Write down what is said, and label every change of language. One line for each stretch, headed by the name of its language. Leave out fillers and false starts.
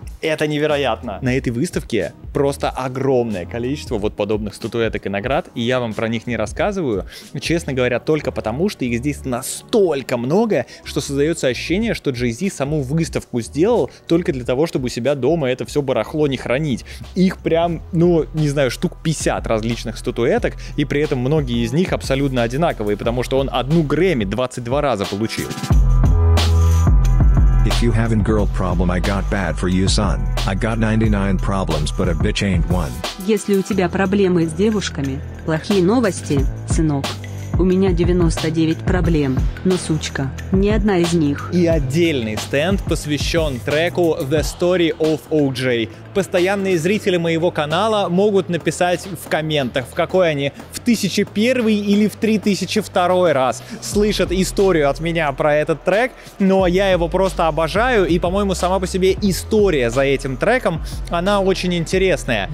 Russian: Это невероятно. На этой выставке просто огромное количество вот подобных статуэток и наград, и я вам про них не рассказываю, честно говоря, только потому, что их здесь настолько много, что создается ощущение, что Jay-Z саму выставку сделал только для того, чтобы у себя дома это все барахло не хранить. Их прям, ну, не знаю, штук 50 различных статуэток, и при этом многие из них абсолютно одинаковые, потому что он одну Грэмми 22 раза получил.
English: If you having girl problem, I got bad for you, son. I got 99 problems, but a bitch ain't one.
Russian: Если у тебя проблемы с девушками, плохие новости, сынок. У меня 99 проблем, но сучка, ни одна из них. И отдельный стенд посвящен треку The Story of OJ. Постоянные зрители моего канала могут написать в комментах, в какой они, в 1001 или в 3002 раз слышат историю от меня про этот трек, но я его просто обожаю, и, по-моему, сама по себе история за этим треком, она очень интересная.